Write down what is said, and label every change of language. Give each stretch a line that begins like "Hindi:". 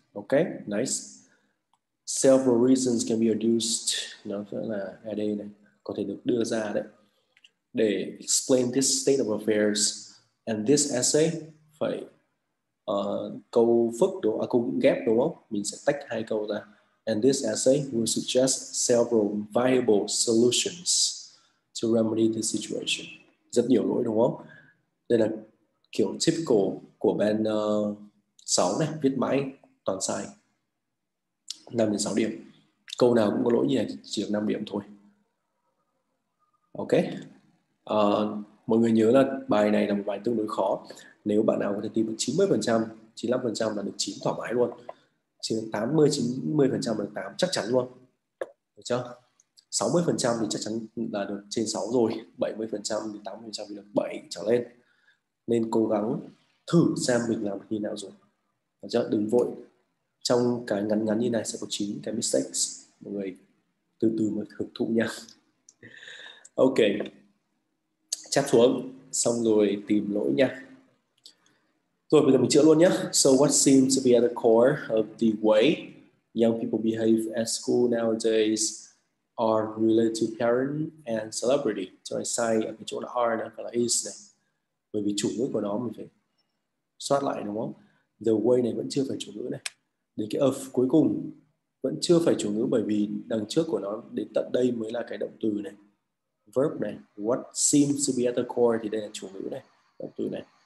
English: Okay, nice. Several reasons can be adduced.
Vietnamese: Nó sẽ là ở đây này, có thể được đưa ra đấy. Để
English: explain this state of affairs and this essay,
Vietnamese: phải câu phức đúng không? À, câu ghép đúng không? Mình sẽ tách hai câu ra.
English: And this essay will suggest several viable solutions to remedy the situation.
Vietnamese: Rất nhiều lỗi đúng không? Đây là kiểu typical của bên 6 này, viết mãi toàn sai. 5 đến 6 điểm. Câu nào cũng có lỗi như này, chỉ được 5 điểm thôi. Ok. Mọi người nhớ là bài này là một bài tương đối khó. Nếu bạn nào có thể tìm được 90%, 95% là được 9 thoải mái luôn. Chỉ được 80, 90% là được 8 chắc chắn luôn. Được chưa? 60% thì chắc chắn là được trên 6 rồi, 70% thì 80% thì được 7 trở lên. Nên cố gắng thử xem mình làm như nào rồi. Được chưa? Đừng vội. Trong cái ngắn ngắn như này sẽ có 9 cái mistakes. Mọi người từ từ mà hưởng thụ nha. Ok. Chép xuống xong rồi tìm lỗi nha. Rồi bây giờ mình chữa luôn nhé.
English: So what seems to be at the core of the way young people behave at school nowadays are related to parent and celebrity.
Vietnamese: Cho nên sai ở cái chỗ là are này, phải là is này. Bởi vì chủ ngữ của nó mình phải soát lại đúng không? The way này vẫn chưa phải chủ ngữ này. Đến cái of cuối cùng vẫn chưa phải chủ ngữ, bởi vì đằng trước của nó đến tận đây mới là cái động từ này. Verb này,
English: what seems to be at the core
Vietnamese: thì đây là chủ ngữ này, động từ này.